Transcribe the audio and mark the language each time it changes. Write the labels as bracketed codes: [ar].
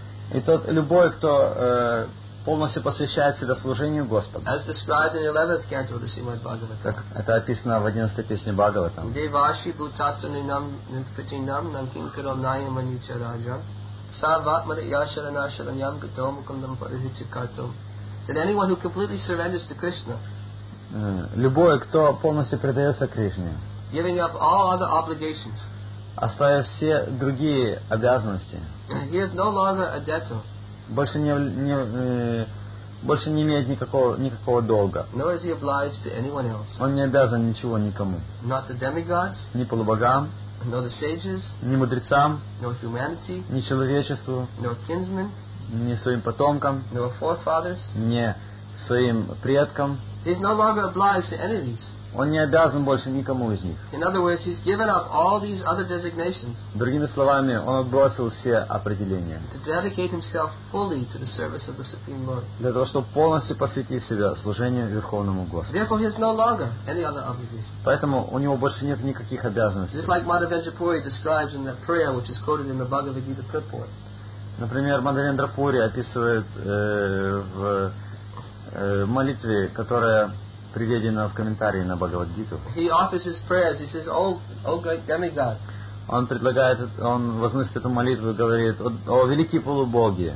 [ru] И тот любой, кто полностью посвящает себя служению Господу. [en] As described in the 11th canto of the Srimad Bhagavatam. [ru] Как это описано в 11-й песне Бхагаватам. [sa] Деваши бутатанинам нитпатинам нанкин киром найяма нича раджам саватмали яшарана шараньям гатому кандам парихича картам. [en] That anyone who completely surrenders to Krishna. [ru] Любой, кто полностью предается Кришне. [en] Giving up all other obligations. [ru] Оставив все другие обязанности. [en] He is no longer a debtor. [ru] Больше не имеет никакого долга. [en] Nor is he obliged to anyone else. [ru] Он не обязан ничего никому. [en] Not the demigods, [ru] ни полубогам, [en] nor the sages, [ru] ни мудрецам, [en] nor humanity, [ru] ни человечеству, [en] nor kinsmen, [ru] ни своим потомкам, [en] nor forefathers, [ru] ни своим предкам. [en] He's no longer obliged to any of these. [ru] Он не обязан больше никому из них. [en] In other words, he's given up all these other designations. [ru] Другими словами, он отбросил все определения. [en] To dedicate himself fully to the service of the Supreme Lord. [ru] Для того, чтобы полностью посвятить себя служению Верховному Господу. [en] Therefore, he has no longer any other obligations. [ru] Поэтому у него больше нет никаких обязанностей. [en] Just like Madhavendra Puri describes in that prayer, which is quoted in the Bhagavad Gita purport. [ru] Например, Мадхавендра Пури описывает в молитве, которая приведено в комментарии на Бхагавад-гиту. [en] He offers his prayers. He says, "O great demigod." [ru] Он возносит эту молитву и говорит: "О великие полубоги."